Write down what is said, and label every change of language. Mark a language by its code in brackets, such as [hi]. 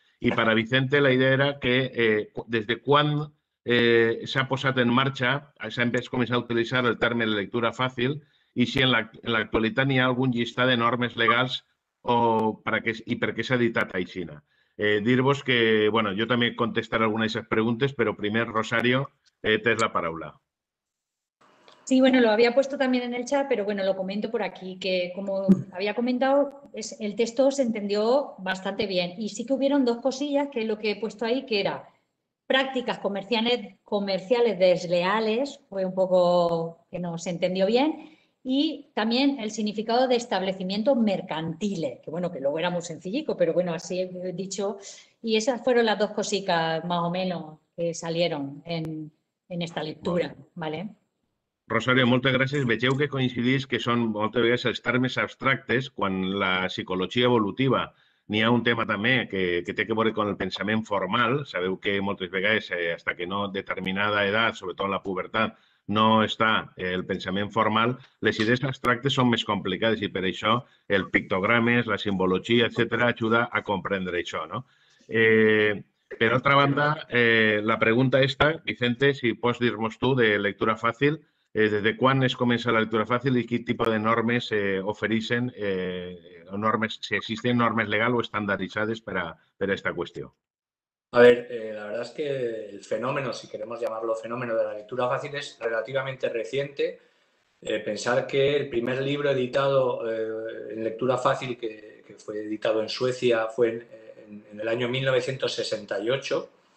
[ca] I per a Vicente la idea era que des de quan s'ha posat en marxa, s'ha començat a utilitzar el terme de lectura fàcil i si en l'actualitat hi ha algun llistat de normes legals i per què s'ha editat aixina. Dir-vos que, bueno, jo també contestaré algunes d'aquestes preguntes, però primer, Rosario, tens la paraula. [es] Sí, bueno, lo había puesto también en el chat, pero bueno, lo comento por aquí, que como había comentado, el texto se entendió bastante bien. Y sí que hubieron dos cosillas, que es lo que he puesto ahí, que era prácticas comerciales desleales, fue un poco que no se entendió bien, y también el significado de establecimiento mercantil, que bueno, que luego era muy sencillico, pero bueno, así he dicho. Y esas fueron las dos cositas más o menos que salieron en esta lectura, ¿vale? [ca] Rosario, moltes gràcies. Vegeu que coincidís que són moltes vegades els termes abstractes quan la psicologia evolutiva n'hi ha un tema també que té a veure amb el pensament formal. Sabeu que moltes vegades, fins que no determinada edat, sobretot la pubertat, no està el pensament formal, les idees abstractes són més complicades i per això el pictogrames, la simbologia, etc., ajuda a comprendre això, no? Per altra banda, la pregunta esta, Vicente, si pots dir-nos tu de lectura fàcil, des de quan es comença la lectura fàcil i quin tipus de normes ofereixen, normes, si existen normes legals o estandarditzades per a esta qüestió? [es] A ver, la verdad es que el fenómeno, si queremos llamarlo fenómeno de la lectura fácil, es relativamente reciente. Pensar que el primer libro editado en lectura fácil, que fue editado en Suecia, fue en el año 1968.